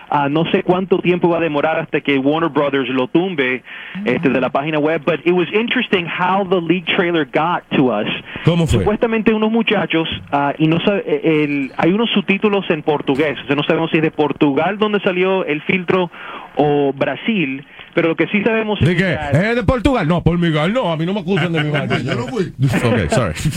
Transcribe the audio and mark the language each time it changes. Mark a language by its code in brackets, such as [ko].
[es] No sé cuánto tiempo va a demorar hasta que Warner Brothers lo tumbe de la página web. [en] But it was interesting how the leaked trailer got to us. [es] ¿Cómo fue? Supuestamente unos muchachos y no sabe, hay unos subtítulos en portugués. O sea, no sabemos si es de Portugal donde salió el filtro o Brasil. Pero lo que sí sabemos es que es de Portugal. No, por Miguel, no, a mí no me acusan de Miguel. Yo no fui. [en] Okay, sorry.